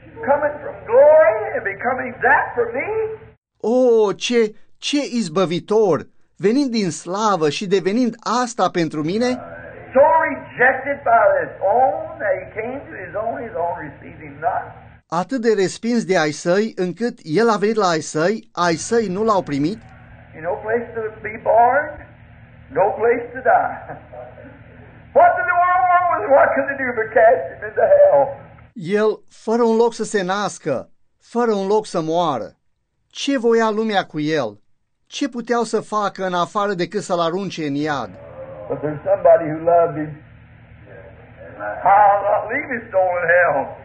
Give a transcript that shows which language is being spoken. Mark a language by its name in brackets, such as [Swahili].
[English] Coming from glory and becoming that for me? [Romanian] Oh, ce izbăvitor! Venind din slavă și devenind asta pentru mine? [English] So rejected by his own, that he came to his own receiving not. [Romanian] Atât de respins de ai săi, încât el a venit la ai săi, ai săi nu l-au primit. [English] No place to be born, no place to die. What did the world want was what could they do but cast him into hell? [Romanian] El, fără un loc să se nască, fără un loc să moară, ce voia lumea cu el? Ce puteau să facă în afară decât să-l arunce în iad? [English] But there's somebody who loved him. I'll not leave his soul in hell.